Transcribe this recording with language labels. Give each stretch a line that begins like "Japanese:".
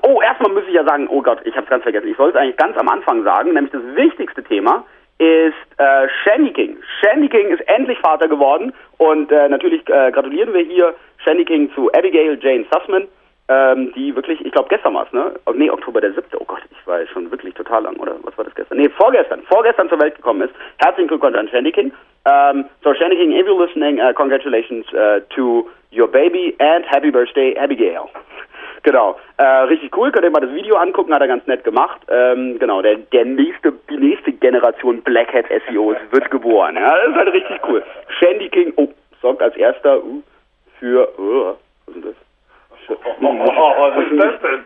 German: Oh, erstmal muss ich ja sagen, oh Gott, ich habe es ganz vergessen, ich wollte es eigentlich ganz am Anfang sagen, nämlich das wichtigste Thema ist Shandy King. Shandy King ist endlich Vater geworden und natürlich gratulieren wir hier Shandy King zu Abigail Jane Sussman, die wirklich, ich glaube gestern war es, ne? Oh, nee, Oktober der 7. Oh Gott, ich war schon wirklich total lang, oder? Was war das gestern? Nee, vorgestern zur Welt gekommen ist. Herzlichen Glückwunsch an Shandy King.
English: So Shandy King, if you're listening, congratulations to your baby and happy birthday, Abigail.
German: Genau, richtig cool, könnt ihr mal das Video angucken, hat er ganz nett gemacht. Genau, die nächste Generation Blackhead SEOs wird geboren. Ja, das ist halt richtig cool. Shandy King, oh, sorgt als erster für, oh, was ist das? Was ist das denn?